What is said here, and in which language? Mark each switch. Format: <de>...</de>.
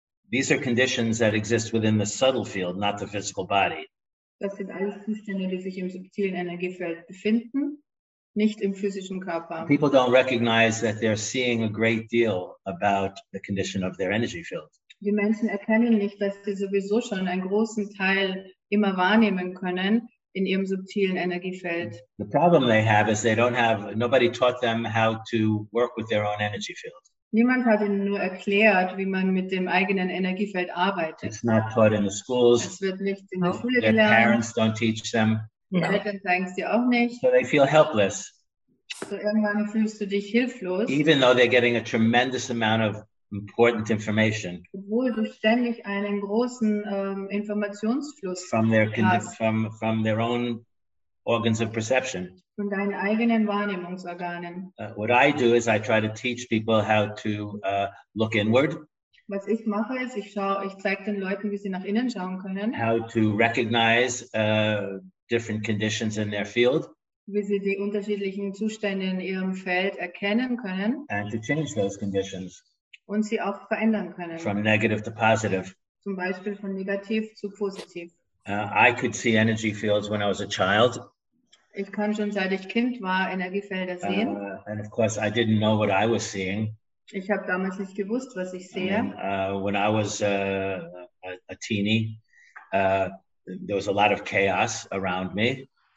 <en>These are conditions that exist within the subtle field, not the physical body.</en> <de>Das sind alles Zustände, die sich im subtilen Energiefeld befinden, nicht im physischen Körper.</de> <en>People don't recognize that they're seeing a great deal about the condition of their energy field.</en> <de>Die Menschen erkennen nicht, dass sie sowieso schon einen großen Teil immer wahrnehmen können in ihrem subtilen Energiefeld.</de> <en>The problem they have is they don't have, nobody taught them how to work with their own energy field.</en> <de>Niemand hat ihnen nur erklärt, wie man mit dem eigenen Energiefeld arbeitet.</de> <en>It's not taught in the schools.</en> <de>Es wird nicht in der Schule gelernt.</de> <en>Their parents don't teach them.</en> <de>Die Eltern zeigen es dir auch nicht.</de> <en>So they feel helpless.</en> <de>So irgendwann fühlst du dich hilflos.</de> <en>Even though they're getting a tremendous amount of important information.</en> <de>Obwohl du ständig einen großen Informationsfluss</de> <en>from their</en> <de>hast.</de> <en>From their own organs of perception.</en> <de>Von deinen eigenen Wahrnehmungsorganen.</de> <en>What I do is I try to teach people how to look inward.</en> <de>Was ich mache, ist, ich zeige den Leuten, wie sie nach innen schauen können.</de> <en>How to recognize different conditions in their field.</en> <de>wie sie die unterschiedlichen Zustände in ihrem Feld erkennen können.</de> <en>And to change those conditions.</en> <de>Und sie auch verändern können.</de> <en>From negative to positive.</en> <de>Zum Beispiel von negativ zu positiv.</de> <en>I could see energy fields when I was a child.</en> <de>Ich kann schon seit ich Kind war Energiefelder sehen.</de> <en>And of course I didn't know what I was seeing.</en> <de>Ich habe damals nicht gewusst, was ich sehe.</de> <en>And, when I was a teenie, there was a lot of chaos around me.</en>